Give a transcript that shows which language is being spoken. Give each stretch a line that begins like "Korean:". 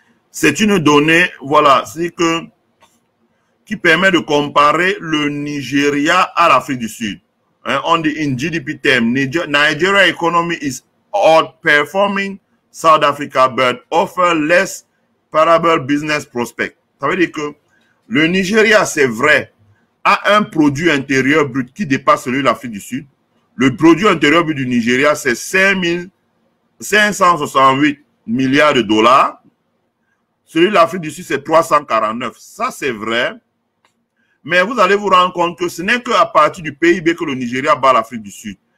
French: C'est une donnée, voilà, c'est que qui permet de comparer le Nigeria à l'Afrique du Sud. Hein, on dit
English: in GDP term, Nigeria economy is outperforming South Africa, but offer less parable business prospect.
French: Ça veut dire que le Nigeria, c'est vrai, a un produit intérieur brut qui dépasse celui de l'Afrique du Sud. Le produit intérieur brut du Nigeria, c'est 5 568 milliards de dollars. Celui de l'Afrique du Sud, c'est 349. Ça, c'est vrai. Mais vous allez vous rendre compte que ce n'est qu'à partir du PIB que le Nigeria bat l'Afrique du Sud.